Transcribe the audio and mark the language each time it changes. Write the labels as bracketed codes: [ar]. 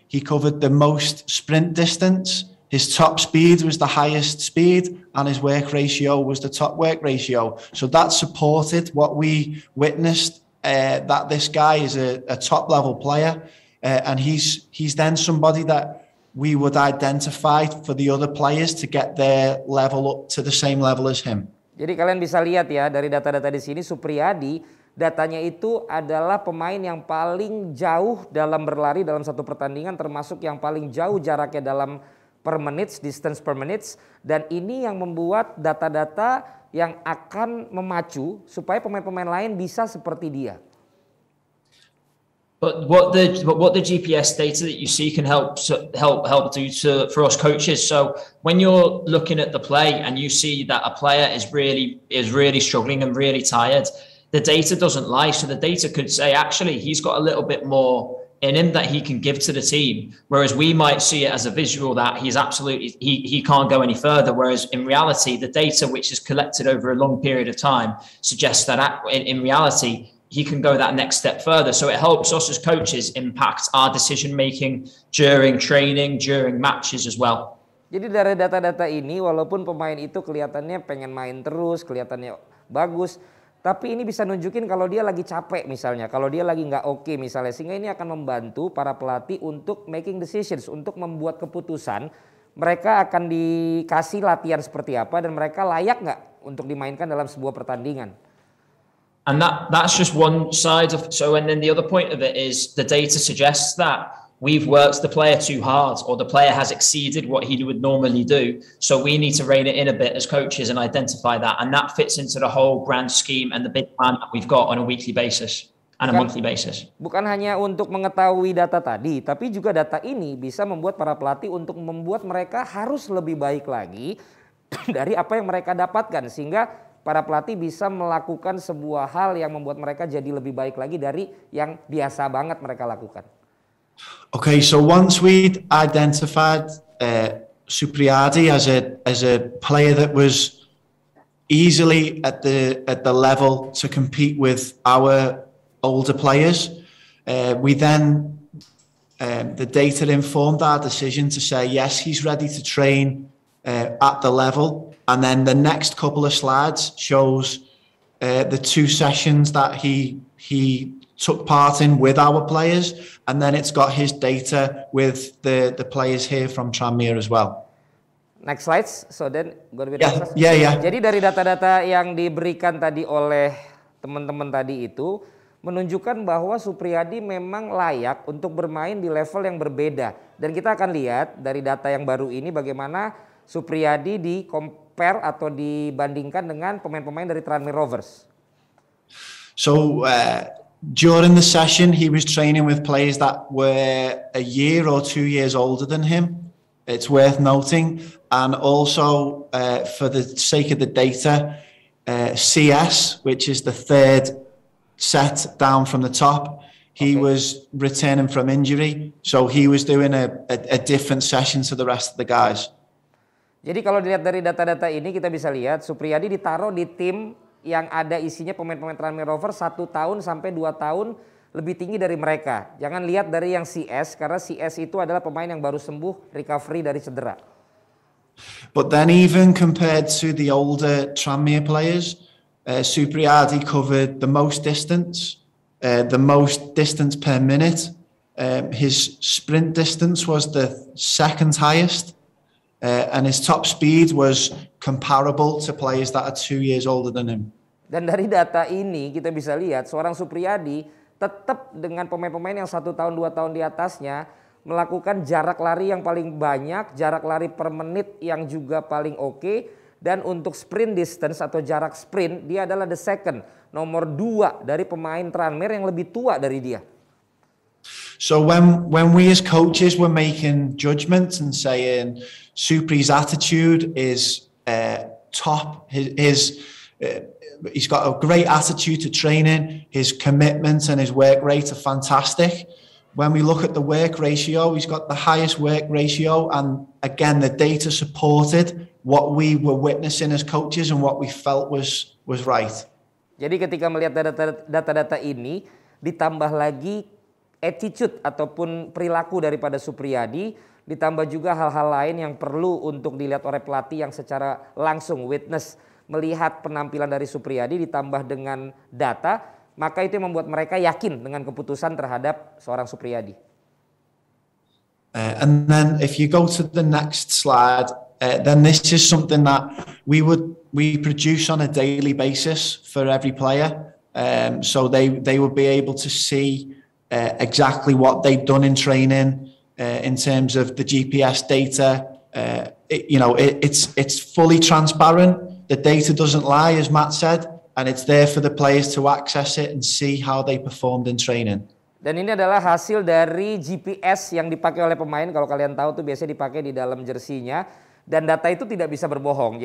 [en] He covered the most sprint distance. His top speed was the highest speed, and his work ratio was the top work ratio. So that supported what we witnessed, that this guy is a top level player. And he's then somebody that we would identify for the other players to get their level up to the same level as him. [id] Jadi kalian bisa lihat ya dari data-data di sini, Supriadi datanya itu adalah pemain yang paling jauh dalam berlari dalam satu pertandingan, termasuk yang paling jauh jaraknya dalam per menit, distance per menit. Dan ini yang membuat data-data yang akan memacu supaya pemain-pemain lain bisa seperti dia. [en] But what the GPS data that you see can help do for us coaches. So when you're looking at the play and you see that a player is really struggling and really tired, the data doesn't lie. So the data could say, actually, he's got a little bit more in him that he can give to the team. Whereas we might see it as a visual that he can't go any further. Whereas in reality, the data which is collected over a long period of time suggests that in reality, he can go that next step further. So it helps us as coaches impact our decision making during training, during matches as well. [id] Jadi dari data-data ini, walaupun pemain itu kelihatannya pengen main terus, kelihatannya bagus, tapi ini bisa nunjukin kalau dia lagi capek misalnya, kalau dia lagi nggak oke misalnya, sehingga ini akan membantu para pelatih untuk [en] making decisions, [id] untuk membuat keputusan mereka akan dikasih latihan seperti apa dan mereka layak nggak untuk dimainkan dalam sebuah pertandingan. [en] And that's just one side of, so and then the other point of it is the data suggests that we've worked the player too hard or the player has exceeded what he would normally do. So we need to rein it in a bit as coaches and identify that. And that fits into the whole grand scheme and the big plan that we've got on a weekly basis and a monthly basis. [id] Bukan hanya untuk mengetahui data tadi, tapi juga data ini bisa membuat para pelatih untuk membuat mereka harus lebih baik lagi dari apa yang mereka dapatkan, sehingga para pelatih bisa melakukan sebuah hal yang membuat mereka jadi lebih baik lagi dari yang biasa banget mereka lakukan. [en] Okay, so once we identified Supriadi as a player that was easily at the level to compete with our older players. The data informed our decision to say, yes, he's ready to train at the level. And then the next couple of slides shows the two sessions that he took part in with our players. And then it's got his data with the players here from Tranmere as well. Next slides. So then, go to the next slide. Yeah, yeah. [id] Jadi dari data-data yang diberikan tadi oleh teman-teman tadi itu, menunjukkan bahwa Supriadi memang layak untuk bermain di level yang berbeda. Dan kita akan lihat dari data yang baru ini bagaimana Supriadi di compare atau dibandingkan dengan pemain-pemain dari Tranmere Rovers. [en] So during the session he was training with players that were a year or 2 years older than him. It's worth noting. And also for the sake of the data, CS, which is the third set down from the top, he was returning from injury, so he was doing a different session to the rest of the guys. [id] Jadi kalau dilihat dari data-data ini, kita bisa lihat Supriadi ditaruh di tim yang ada isinya pemain-pemain Tranmere Rovers 1 tahun sampai 2 tahun lebih tinggi dari mereka. Jangan lihat dari yang CS, karena CS itu adalah pemain yang baru sembuh recovery dari cedera. [en] But then even compared to the older Tranmere players, Supriadi covered the most distance, per minute. His sprint distance was the second highest, and his top speed was comparable to players that are 2 years older than him. [id] Dan dari data ini kita bisa lihat seorang Supriadi tetap dengan pemain-pemain yang 1 tahun, 2 tahun di atasnya melakukan jarak lari yang paling banyak, jarak lari per menit yang juga paling oke. Dan untuk sprint distance atau jarak sprint, dia adalah [en] the second, [id] nomor 2 dari pemain Tranmere yang lebih tua dari dia. [en] So when we as coaches were making judgments and saying Supri's attitude is top, he's got a great attitude to training, his commitment and his work rate are fantastic. When we look at the work ratio, he's got the highest work ratio, and again the data supported what we were witnessing as coaches and what we felt was right. [id] Jadi ketika melihat data-data ini ditambah lagi attitude ataupun perilaku daripada Supriadi, ditambah juga hal-hal lain yang perlu untuk dilihat oleh pelatih yang secara langsung witness melihat penampilan dari Supriadi ditambah dengan data, maka itu membuat mereka yakin dengan keputusan terhadap seorang Supriadi. [en] And then if you go to the next slide, then this is something that we produce on a daily basis for every player. So they would be able to see exactly what they've done in training in terms of the GPS data. It's fully transparent. The data doesn't lie, as Matt said, and it's there for the players to access it and see how they performed in training. [id] Dan ini adalah hasil dari GPS yang dipakai oleh pemain. Kalau kalian tahu tuh biasanya dipakai di dalam jersinya. Dan data itu tidak bisa berbohong.